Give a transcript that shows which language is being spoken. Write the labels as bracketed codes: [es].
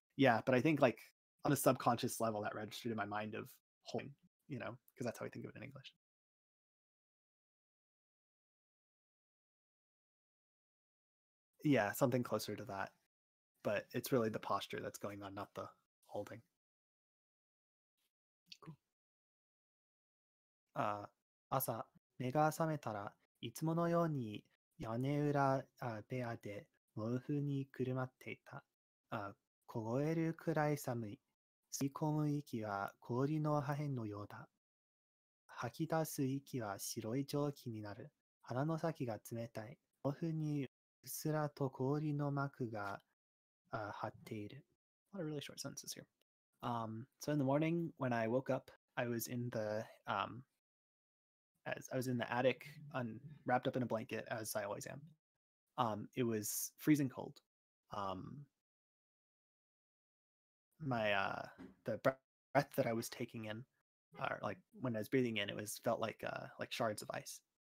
[en] Yeah, but I think like on a subconscious level that registered in my mind of holding, you know, because that's how I think of it in English. Yeah, something closer to that. But it's really the posture that's going on, not the holding. Cool. [ja] 朝、目が覚めたら、いつものように屋根裏部屋で毛布にくるまっていた。凍えるくらい寒い。吸い込む息は氷の破片のようだ。吐き出す息は白い蒸気になる。鼻の先が冷たい。毛布にうっすらと氷の膜が張っている。 [en] What a really short sentences here. So in the morning when I woke up, I was in the attic, wrapped up in a blanket as I always am. It was freezing cold. The breath that I was taking in, or like when I was breathing in, it was felt like shards of ice.